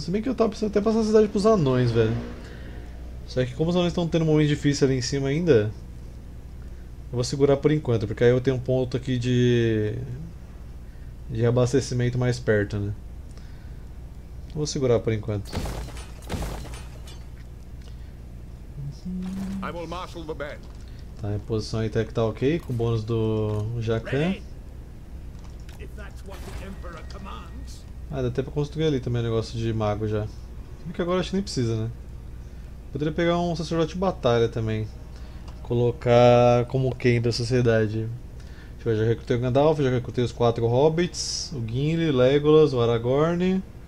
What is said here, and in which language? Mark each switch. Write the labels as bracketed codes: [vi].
[pt] Se bem que eu tava precisando até passar a cidade pros anões, velho. Só que como os anões estão tendo um momento difícil ali em cima ainda, eu vou segurar por enquanto, porque aí eu tenho um ponto aqui de abastecimento mais perto, né? Vou segurar por enquanto. [en] I will marshal the band. [pt] Tá, em posição aí até que tá ok, com o bônus do Jacquin. [en] Ready? If that's what the Emperor commands. [pt] Ah, dá até pra construir ali também o negócio de mago já. Só que agora acho que nem precisa, né? Poderia pegar um sacerdote de batalha também. Colocar como quem da sociedade. Deixa eu ver, já recrutei o Gandalf, já recrutei os quatro hobbits, o Gimli, Legolas, o Aragorn.